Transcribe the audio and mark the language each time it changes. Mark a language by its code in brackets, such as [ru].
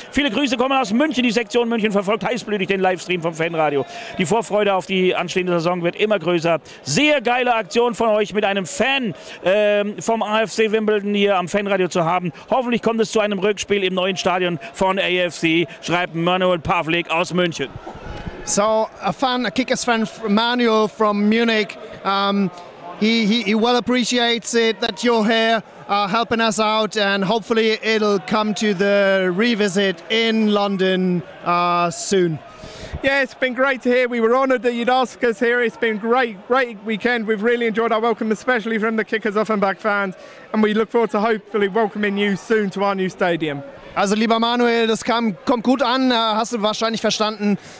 [de] Viele Grüße kommen aus München, die Sektion München verfolgt heißblütig den Livestream vom Fanradio. Die Vorfreude auf die anstehende Saison wird immer größer. Sehr geile Aktion von euch mit einem Fan vom AFC Wimbledon hier am Fanradio zu haben. Hoffentlich kommt es zu einem Rückspiel im neuen Stadion von AFC, schreibt Manuel Pavlik aus München. [en] So a Kickers fan, Manuel from Munich, he well appreciates it that you're here helping us out, and hopefully it'll come to the revisit in London soon. Yeah, it's been great to hear. We were honoured that you'd ask us here. It's been great weekend. We've really enjoyed our welcome, especially from the Kickers Offenbach fans, and we look forward to hopefully welcoming you soon to our new stadium. [de] Also lieber Manuel, das kommt gut an, hast du wahrscheinlich verstanden.